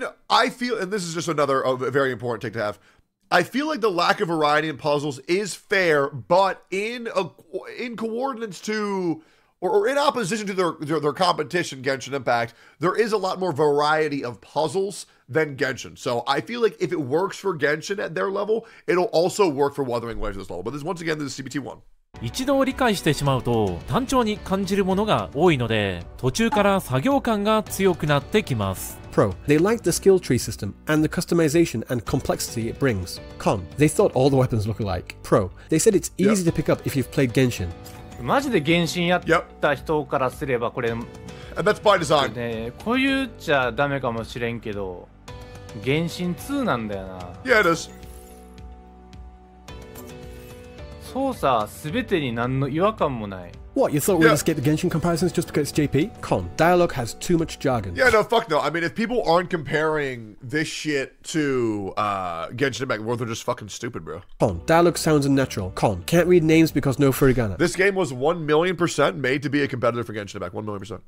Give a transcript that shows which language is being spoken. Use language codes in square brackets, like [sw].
[en] I feel, and this is just another very important take to have, I feel like the lack of variety in puzzles is fair, but in coordinates to, or in opposition to their competition, Genshin Impact, there is a lot more variety of puzzles than Genshin. So I feel like if it works for Genshin at their level, it'll also work for Wuthering Waves at this level. But this, once again, this is CBT1. [ja] 一度理解してしまうと単調に感じるものが多いので途中から作業感が強くなってきます。 [en] Pro, they liked the skill tree system and the customization and complexity it brings. Con, they thought all the weapons look alike. Pro, they said it's easy to pick up if you've played Genshin. [ja] マジで原神やった人からすればこれ、 [en] And that's by design. [ja] ね、こういうじゃダメかもしれんけど、原神2なんだよな。 [en] Yeah, it is. [ja] 操作全てに何の違和感もない。 [en] What? You thought we'd escape the Genshin comparisons just because it's JP? Con, dialogue has too much jargon. Yeah, no, fuck no. I mean, if people aren't comparing this shit to Genshin Impact, well, they're just fucking stupid, bro. Con, dialogue sounds unnatural. Con, can't read names because no furigana. This game was 1,000,000% made to be a competitor for Genshin Impact. 1,000,000%.